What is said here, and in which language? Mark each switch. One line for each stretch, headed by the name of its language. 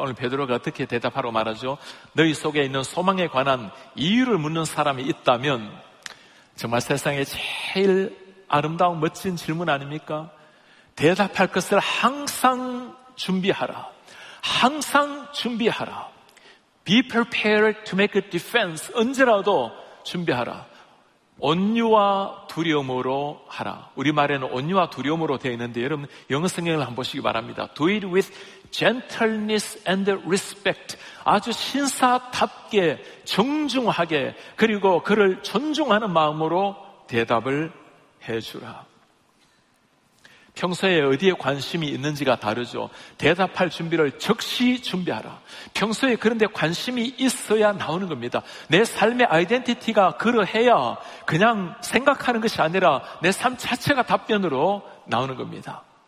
Korean: 오늘 베드로가 어떻게 대답하라고 말하죠? 너희 속에 있는 소망에 관한 이유를 묻는 사람이 있다면 정말 세상에 제일 아름다운 멋진 질문 아닙니까? 대답할 것을 항상 준비하라. 항상 준비하라.
English: Be prepared to make a defense.
Korean: 언제라도 준비하라. 온유와 두려움으로 하라. 우리말에는 온유와 두려움으로 되어 있는데 여러분 영어성경을 한번 보시기 바랍니다.
English: Do it with gentleness and respect.
Korean: 아주 신사답게 정중하게 그리고 그를 존중하는 마음으로 대답을 해주라. 평소에 어디에 관심이 있는지가 다르죠. 대답할 준비를 즉시 준비하라. 평소에 그런데 관심이 있어야 나오는 겁니다. 내 삶의 아이덴티티가 그러해야 그냥 생각하는 것이 아니라 내 삶 자체가 답변으로 나오는 겁니다.